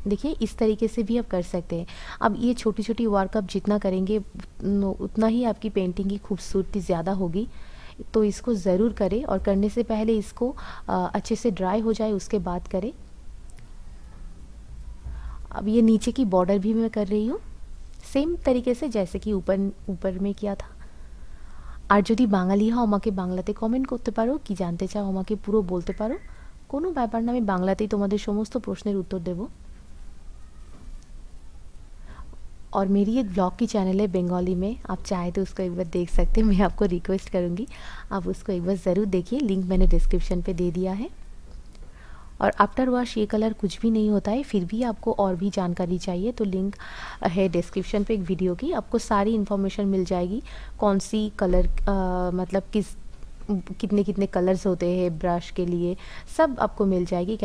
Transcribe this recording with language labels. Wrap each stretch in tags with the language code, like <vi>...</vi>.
<hi>देखिए इस तरीके से भी आप कर सकते हैं। अब ये छोटी छोटी वर्क आप जितना करेंगे उतना ही आपकी पेंटिंग की खूबसूरती ज़्यादा होगी, तो इसको ज़रूर करें। और करने से पहले इसको अच्छे से ड्राई हो जाए उसके बाद करें। अब ये नीचे की बॉर्डर भी मैं कर रही हूँ सेम तरीके से जैसे कि ऊपर ऊपर में किया था।</hi> <bn>আর যদি বাঙালি হও আমাকে বাংলাতে কমেন্ট করতে পারো, কি জানতে চাও আমাকে পুরো বলতে পারো, কোনো ব্যাপার না, আমি বাংলাতেই তোমাদের সমস্ত প্রশ্নের উত্তর দেব।</bn> <hi>और मेरी एक ब्लॉग की चैनल है बंगाली में, आप चाहे तो उसको एक बार देख सकते हैं। मैं आपको रिक्वेस्ट करूँगी आप उसको एक बार ज़रूर देखिए, लिंक मैंने डिस्क्रिप्शन पे दे दिया है। और आफ्टर वॉश ये कलर कुछ भी नहीं होता है, फिर भी आपको और भी जानकारी चाहिए तो लिंक है डिस्क्रिप्शन पे एक वीडियो की, आपको सारी इन्फॉर्मेशन मिल जाएगी कौन सी कलर मतलब किस कितने कितने कलर्स होते हैं ब्रश के लिए, सब आपको मिल जाएगी।</hi>